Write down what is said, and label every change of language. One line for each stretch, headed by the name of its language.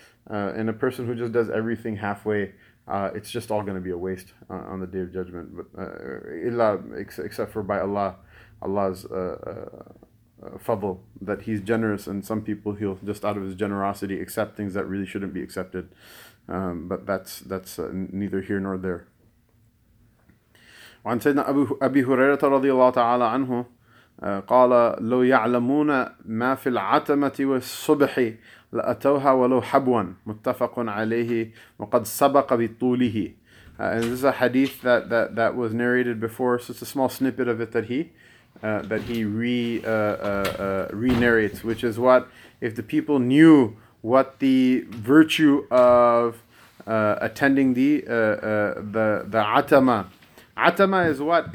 English: And a person who just does everything halfway, it's just all going to be a waste on the Day of Judgment. But except for by Allah's fadl, that He's generous, and some people He'll just out of His generosity accept things that really shouldn't be accepted. But that's neither here nor there.
Arabic: وعن سيدنا أبي هريرة رضي الله تعالى عنه قال لو يعلمون ما في العتمة والصبح لأتوها ولو حبوا متفق عليه وقد سبق بطوله.
English: And this is a hadith that was narrated before, so it's a small snippet of it that he re-narrates, which is what if the people knew what the virtue of attending the atama. Atama is what?